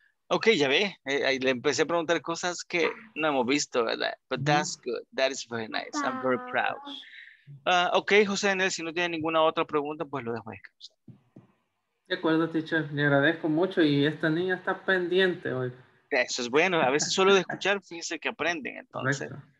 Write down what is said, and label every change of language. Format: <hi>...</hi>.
<es>Okay, ya ve, le empecé a preguntar cosas que no hemos visto, ¿verdad?</es> <en>But that's good, that is very nice, I'm very proud.</en> <es>Okay, José Daniel, si no tiene ninguna otra pregunta, pues lo dejo ahí. De acuerdo, teacher, le agradezco mucho y esta niña está pendiente hoy. Eso es bueno, a veces solo de escuchar, fíjense que aprenden, entonces.</es>